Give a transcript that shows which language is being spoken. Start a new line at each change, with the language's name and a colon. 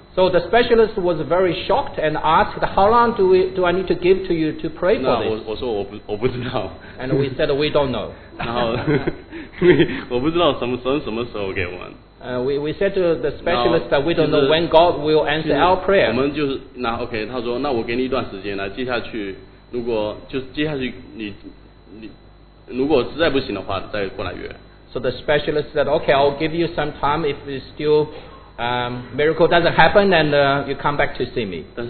English: So the specialist was very shocked and asked, how long do I need to give to you to pray for this?
Chinese: 我说我不知道。
English: And we said, we don't know.
Chinese: 然后我不知道什么时候给我们。
English: We said to the specialist that we don't know when God will answer our prayer.
Chinese: 我们就是，那OK，他说，那我给你一段时间来，接下去，如果实在不行的话，再过来约。
English: So the specialist said, okay, I'll give you some time if it's still... miracle doesn't happen and you come back to see me.